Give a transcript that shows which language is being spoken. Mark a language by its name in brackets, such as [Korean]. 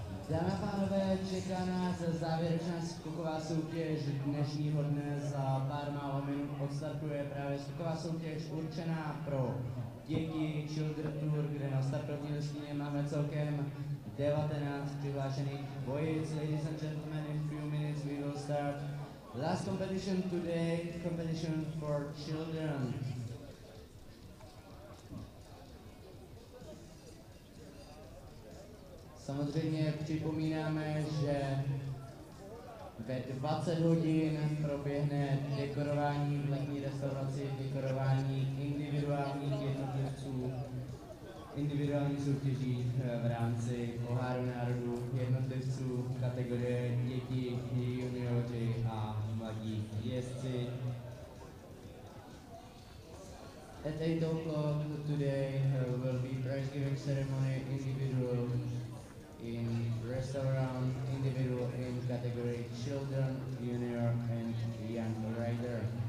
[Czech] Dámy a pánové, čeká nás závěrečná skoková soutěž dnešního dne. Za pár málo minut odstartuje právě skoková soutěž určená pro děti Children Tour, kde na startovní listině máme celkem 19 přihlášených dvojic. [English] Ladies and gentlemen, in few minutes we will start last competition today, competition for children. [Czech] Samozřejmě připomínáme, že ve 20 hodin proběhne dekorování v letní restauraci, dekorování individuálních jednotlivců, individuální soutěží v rámci Poháru národů jednotlivců kategorie děti, junioři a mladí jezdci. [English] At 8 o'clock today will be prize giving ceremony individual in restaurant, individual in category children, junior and young rider.